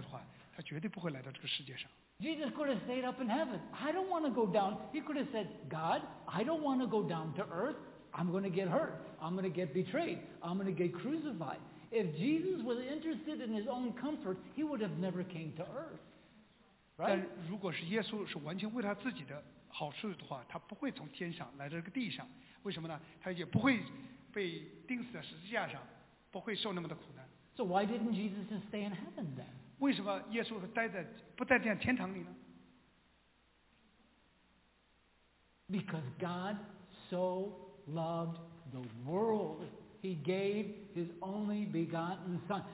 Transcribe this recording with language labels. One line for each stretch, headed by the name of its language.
Chinese: 如果耶稣是有同样的态度的话，他绝对不会来到这个世界上。
English: Jesus could have stayed up in heaven. I don't want to go down. He could have said, God, I don't want to go down to earth. I'm going to get hurt. I'm going to get betrayed. I'm going to get crucified. If Jesus was interested in his own comfort, he would have never came to earth. Right?
Chinese: 但如果是耶稣是完全为他自己的好处的话，他不会从天上来到这个地上。为什么呢？他也不会被钉死在十字架上，不会受那么的苦难。
English: So why didn't Jesus just stay in heaven then?
Chinese: 为什么耶稣不待在天堂里呢？
English: Because God so loved the world, he gave his only begotten son.